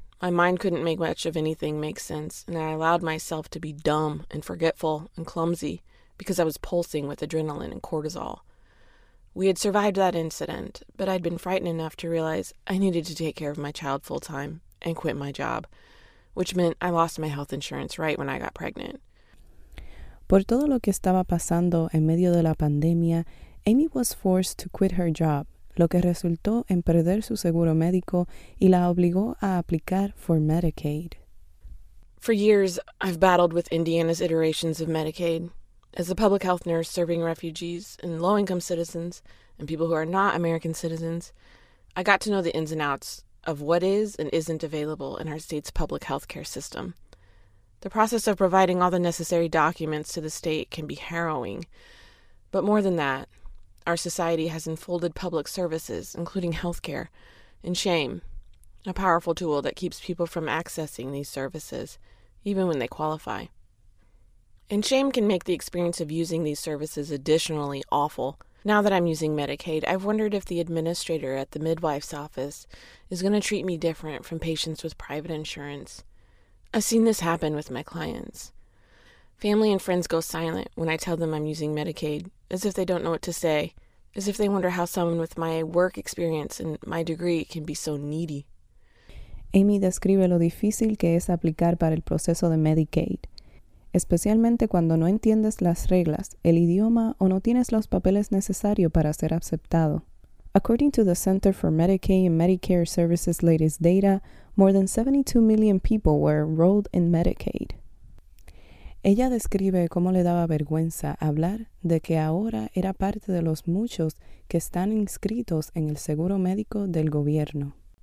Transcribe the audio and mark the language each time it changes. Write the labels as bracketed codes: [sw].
[en] My mind couldn't make much of anything make sense, and I allowed myself to be dumb and forgetful and clumsy because I was pulsing with adrenaline and cortisol. We had survived that incident, but I'd been frightened enough to realize I needed to take care of my child full-time and quit my job, which meant I lost my health insurance right when I got pregnant. [es] Por todo lo que estaba pasando en medio de la pandemia, [en] Amy was forced to quit her job, [es] lo que resultó en perder su seguro médico y la obligó a aplicar [en] for Medicaid. For years, I've battled with Indiana's iterations of Medicaid. As a public health nurse serving refugees and low-income citizens and people who are not American citizens, I got to know the ins and outs of what is and isn't available in our state's public health care system. The process of providing all the necessary documents to the state can be harrowing. But more than that, our society has enfolded public services, including healthcare, in shame, a powerful tool that keeps people from accessing these services, even when they qualify. And shame can make the experience of using these services additionally awful. Now that I'm using Medicaid, I've wondered if the administrator at the midwife's office is going to treat me different from patients with private insurance. I've seen this happen with my clients. Family and friends go silent when I tell them I'm using Medicaid, as if they don't know what to say, as if they wonder how someone with my work experience and my degree can be so needy. [es] Amy describe lo difícil que es aplicar para el proceso de Medicaid, especialmente cuando no entiendes las reglas, el idioma o no tienes los papeles necesarios para ser aceptado. [en] According to the Center for Medicaid and Medicare Services' latest data, more than 72 million people were enrolled in Medicaid. [es] Ella describe cómo le daba vergüenza hablar de que ahora era parte de los muchos que están inscritos en el seguro médico del gobierno.